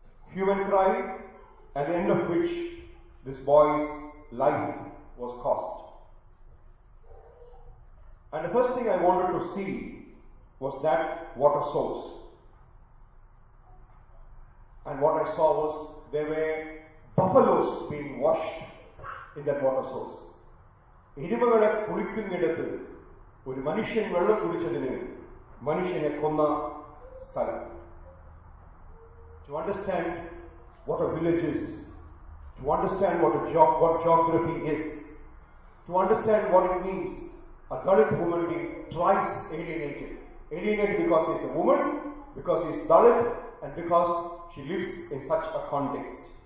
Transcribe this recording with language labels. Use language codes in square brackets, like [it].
[en] Human cry, at the end of which this boy's life was cost. And the first thing I wanted to see was that water source. And what I saw was there were buffaloes being washed in that water source. [ml] എരുമകളെ കുളിക്കുന്നിടത്ത് ഒരു മനുഷ്യൻ വെള്ളം കുളിച്ചതിന് മനുഷ്യനെ കൊന്ന സ്ഥലം. [en] To understand what a village is, to understand what what geography is, to understand what it means, a Dalit woman being twice alienated. Alienated because he is a woman, because he is Dalit, and because she lives in such a context.